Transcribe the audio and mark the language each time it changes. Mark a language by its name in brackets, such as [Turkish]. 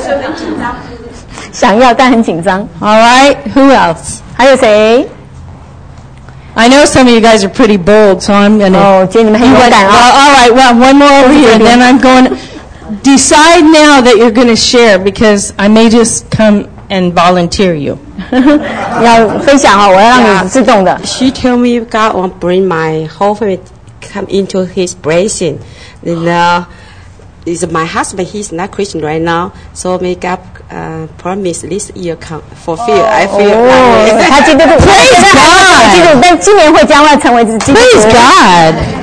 [Chinese] 她怀孕的是，她怀孕，她很紧张，还没有哦，将想要，她想要的时候很紧张，想要但很紧张。 [English] All right, who else? [Chinese] 还有谁？ [English] I know some of you guys are pretty bold, so I'm gonna. [Chinese] 哦，觉得你们很勇敢啊。 [English] All right, well, one more over here, and then I'm going to decide now that you're going to share because I may just come and volunteer you. [Chinese] 要分享哦，我要让你自动的。 [English] She told me God will bring my whole family come into his blessing. And, is my husband, he's not Christian right now, so may God promise this year come fulfill. I feel like... Praise God! Praise God!